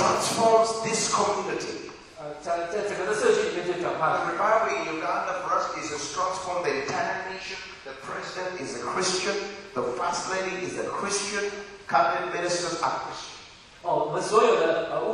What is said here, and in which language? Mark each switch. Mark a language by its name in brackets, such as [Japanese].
[English] Transforms this community. [Chinese] 在整个的社区里面就转化了。 [English] The revival in Uganda for us is a transform the entire nation. The president is a Christian. The first lady is a Christian. Cabinet ministers are Christian.